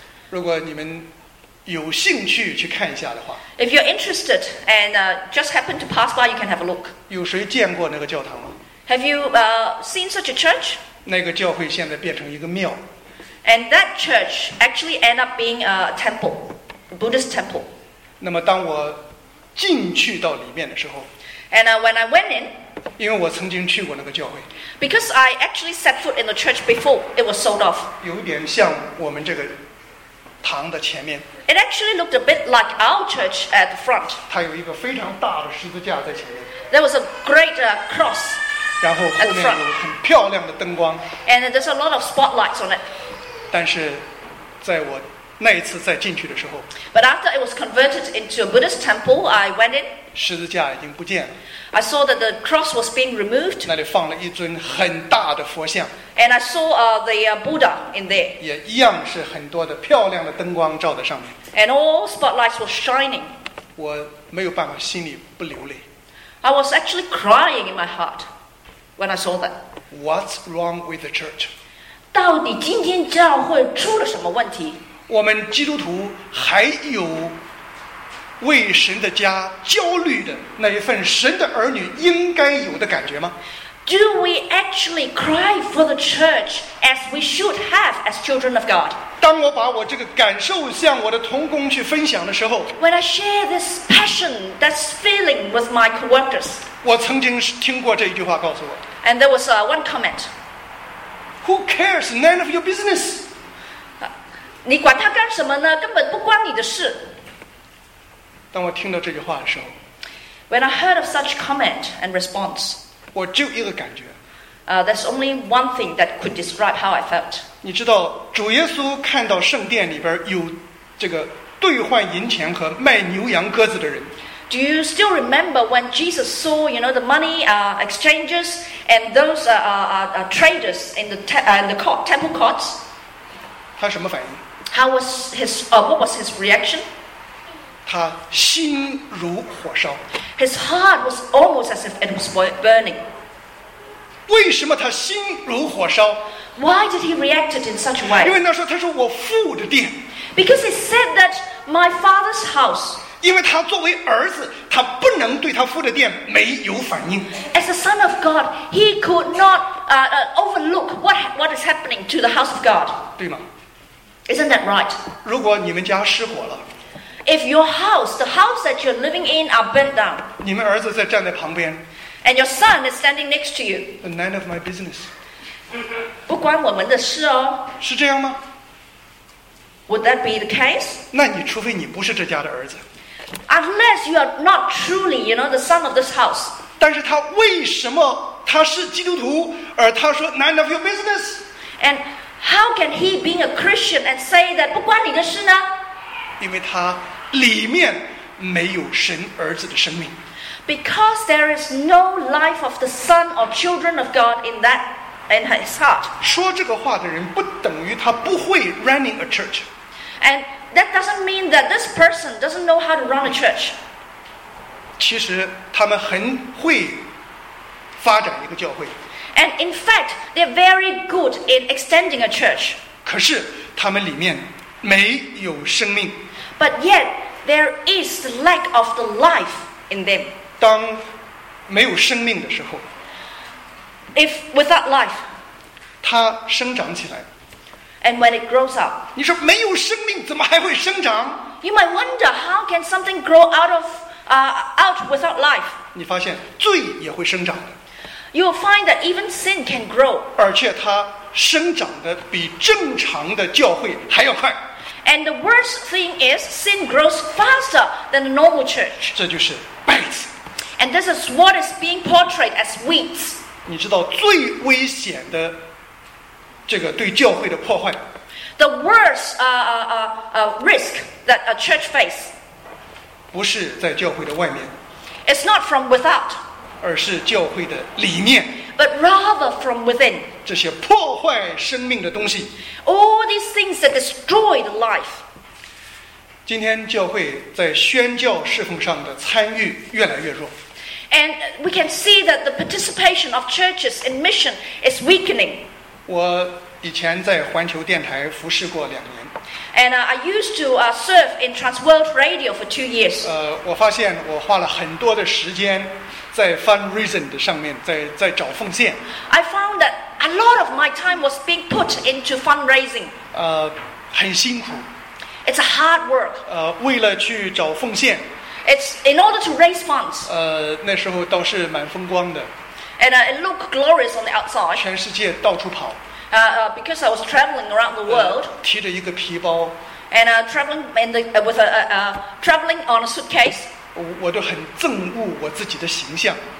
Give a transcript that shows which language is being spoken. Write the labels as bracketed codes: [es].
[zh] 如果你们有兴趣去看一下的话 [en] ，If you're interested and just happen to pass by, you can have a look. [zh] 有谁见过那个教堂吗 [en] ？Have you seen such a church? [zh] 那个教会现在变成一个庙。 [en] And that church actually end up being a temple, a Buddhist temple. [zh] 那么当我进去到里面的时候 [en] ，And when I went in. [zh] 因为我曾经去过那个教会 [en] Because I actually set foot in the church before it was sold off [zh] 有点像我们这个堂的前面 [en] It actually looked a bit like our church at the front [zh] 它有一个非常大的十字架在前面 [en] There was a great cross [zh] 然后后面有很漂亮的灯光 [en] And there's a lot of spotlights on it [zh] 但是在我那一次再进去的时候 [en] But after it was converted into a Buddhist temple I went in [zh] 十字架已经不见了 [en] I saw that the cross was being removed [zh] 那里放了一尊很大的佛像 [en] And I saw the Buddha in there [zh] 也一样是很多的漂亮的灯光照在上面 [en] And all spotlights were shining [zh] 我没有办法心里不流泪 [en] I was actually crying in my heart when I saw that What's wrong with the church? [zh] 到底今天教会出了什么问题我们基督徒还有为神的家焦虑的那一份神的儿女应该有的感觉吗 [en] Do we actually cry for the church as we should have as children of God? [zh] 当我把我这个感受向我的同工去分享的时候 [en] When I share this passion, this feeling with my co-workers [zh] 我曾经听过这一句话告诉我 [en] And there was one comment Who cares? None of your business [zh] 你管他干什么呢？根本不关你的事。当我听到这句话的时候 [en] ，When I heard of such comment and response， [zh] 我只有一个感觉。 [en] There's only one thing that could describe how I felt。 [zh] 你知道，主耶稣看到圣殿里边有这个兑换银钱和卖牛羊鸽子的人。 [en] Do you still remember when Jesus saw, you know, the money exchangers and those traders in the temple courts? [zh] 他什么反应？ [en] How was his what was his reaction? [zh] 他心如火烧。 [en] His heart was almost as if it was burning. [zh] 为什么他心如火烧？ [en] Why did he react in such a way? [zh] 因为那时候他说我父的殿。 [en] Because he said that my father's house. [zh] 因为他作为儿子，他不能对他父的殿没有反应。 [en] As a son of God, he could not overlook what is happening to the house of God. [zh] 对吗？ [en] Isn't that right? [zh] 如果你们家失火了， [en] If your house, the house that you're living in, are burnt down, [zh] 你们儿子在站在旁边， [en] and your son is standing next to you, none of my business. [zh] 不关我们的事哦。是这样吗？ [en] Would that be the case? [zh] 那你除非你不是这家的儿子。 [en] Unless you are not truly, you know, the son of this house. [zh] 但是他为什么他是基督徒，而他说 [en] none of your business? And how can he, being a Christian, and say that [zh] 不关你的事呢？因为他里面没有神儿子的生命。 [en] Because there is no life of the son or children of God in that in his heart. [zh] 说这个话的人不等于他不会 [en] running a church. And. That doesn't mean that this person doesn't know how to run a church. [zh] 其实他们很会发展一个教会。 [en] And in fact, they're very good in extending a church. [zh] 可是他们里面没有生命。 [en] But yet, there is the lack of the life in them. [zh] 当没有生命的时候， [en] If without life, [zh] 它生长起来。 [en] And when it grows up, [zh] 你说没有生命怎么还会生长？ [en] You might wonder how can something grow out of out without life. [zh] 你发现罪也会生长的。 [en] You'll find that even sin can grow. [zh] 而且它生长的比正常的教会还要快。 [en] And the worst thing is sin grows faster than the normal church. [zh] 这就是败子。 [en] And this is what is being portrayed as weeds. [zh] 你知道最危险的。这个对教会的破坏。 [en] The worst risk that a church face. [zh] 不是在教会的外面。 [en] It's not from without. [zh] 而是教会的里面。 [en] But rather from within. [zh] 这些破坏生命的东西。 [en] All these things that destroy the life. [zh] 今天教会在宣教侍奉上的参与越来越弱。 [en] And we can see that the participation of churches in mission is weakening. [zh] 我以前在环球电台服侍过两年。 [en] And I used to serve in Transworld Radio for 2 years. [zh] 我发现我花了很多的时间在 fundraising 的上面，在找奉献。 [en] I found that a lot of my time was being put into fundraising. [zh] 很辛苦。 [en] It's a hard work. [zh] 为了去找奉献。 [en] It's in order to raise funds. [zh] 那时候倒是蛮风光的。 [en] And it looked glorious on the outside. [zh] 全世界到处跑。 [en] Because I was traveling around the world. [zh] 提着一个皮包。 [en] And traveling in the with a traveling on a suitcase. [zh] 我都很憎恶我自己的形象。